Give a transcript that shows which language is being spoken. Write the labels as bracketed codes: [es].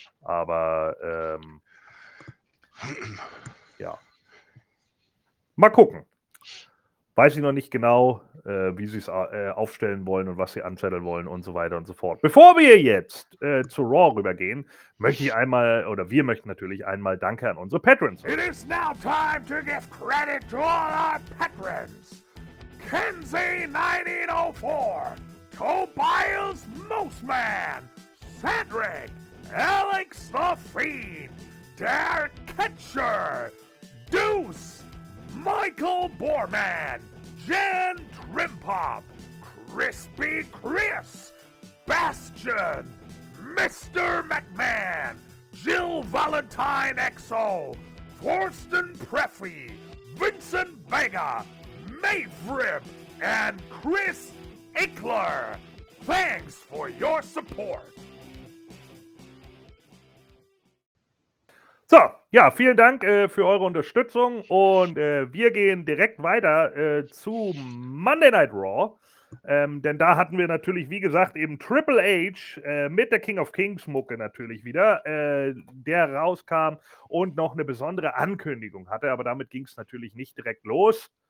[de] Aber ja. Mal gucken. weiß ich noch nicht genau, wie sie es aufstellen wollen und was sie anzetteln wollen und so weiter und so fort. Bevor wir jetzt zu Raw rübergehen, möchte ich einmal, oder wir möchten natürlich einmal Danke an unsere Patrons. [en] It is now time to give credit to all our Patrons. Kenzie1904, Tobias Moseman, Cedric, Alex the Fiend, Derek Ketcher, Deuce, Michael Borman, Jen Trimpop, Crispy Chris, Bastion, Mr. McMahon, Jill Valentine XO, Thorsten Preffy, Vincent Vega, Maverick, and Chris Ickler. Thanks for your support. [de] So, ja, vielen Dank für eure Unterstützung und wir gehen direkt weiter zu Monday Night Raw, denn da hatten wir natürlich, wie gesagt, eben Triple H mit der King of Kings Mucke natürlich wieder, der rauskam und noch eine besondere Ankündigung hatte, aber damit ging es natürlich nicht direkt los.